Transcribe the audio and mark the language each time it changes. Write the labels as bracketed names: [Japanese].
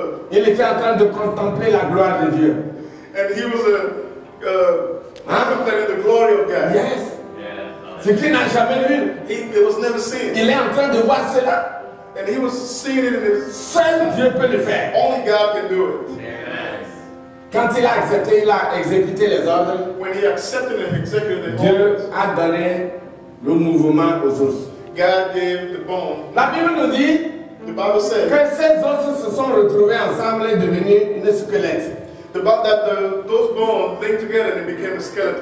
[French] Il était en train de contempler la gloire de Dieu. [English] And he was contemplating the glory of God. [French] Yes. Ce qu'il n'a jamais vu. [English] It was never seen. [French] Il est en train de voir cela. [English] And he was seeing it in his. [French] Seul Dieu peut le faire. [English] Only God can do it. Yes. [French] Quand il a accepté, il a exécuté les ordres. [English] When he accepted and executed the [French] Dieu [English] orders, [French] a donné le mouvement aux os. [English] God gave the bone. [French] La Bible nous dit. [English] The Bible says [French] que ces os se sont retrouvés ensemble et devenus une squelette. [English] The fact that those bones linked together and became a skeleton.